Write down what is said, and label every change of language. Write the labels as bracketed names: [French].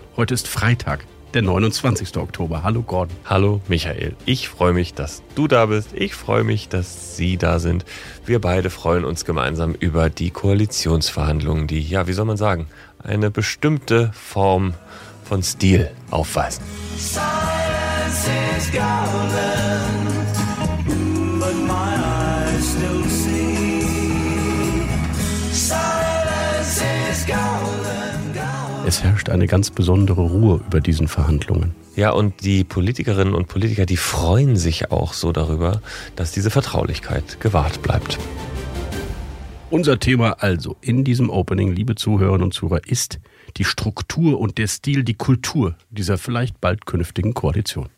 [German] Heute ist Freitag, der 29. Oktober. Hallo Gordon. Hallo Michael. Ich freue mich, dass du da bist. Ich freue mich, dass Sie da sind. Wir beide freuen uns gemeinsam über die Koalitionsverhandlungen, die, ja, wie soll man sagen, eine bestimmte Form von Stil aufweisen. [English] Silence is golden, but my eyes still see. Silence is golden, golden. [German] Es herrscht eine ganz besondere Ruhe über diesen Verhandlungen. Ja, und die Politikerinnen und Politiker, die freuen sich auch so darüber, dass diese Vertraulichkeit gewahrt bleibt. Unser Thema also in diesem Opening, liebe Zuhörerinnen und Zuhörer, ist die Struktur und der Stil, die Kultur dieser vielleicht bald künftigen Koalition.